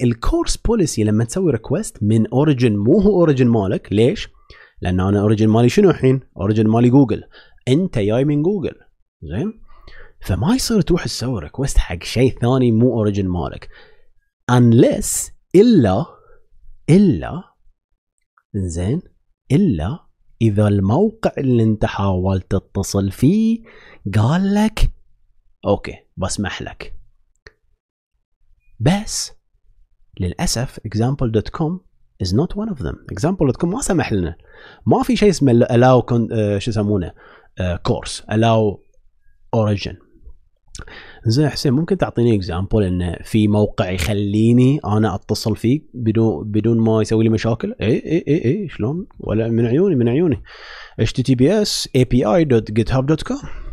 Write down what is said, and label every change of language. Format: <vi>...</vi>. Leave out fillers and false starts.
<ar>الكورس بوليسي لما تسوي ريكوست من اوريجن مو هو اوريجن مالك، ليش؟ لان انا اوريجن مالي شنو الحين؟ اوريجن مالي جوجل، انت جاي من جوجل زين، فما يصير تروح تسوي ريكوست حق شيء ثاني مو اوريجن مالك. انليس الا زين، الا اذا الموقع اللي انت حاولت تتصل فيه قال لك اوكي بسمح لك. بس للاسف</ar> <en>example.com is not one of them.</en> <ar>example.com ما سمح لنا، ما في شيء اسمه allow شو يسمونه course allow origin. زين حسين ممكن تعطيني اكزامبل ان في موقع يخليني انا اتصل فيك بدون ما يسوي لي مشاكل؟ اي شلون؟ ولا من عيوني https api.github.com.</ar>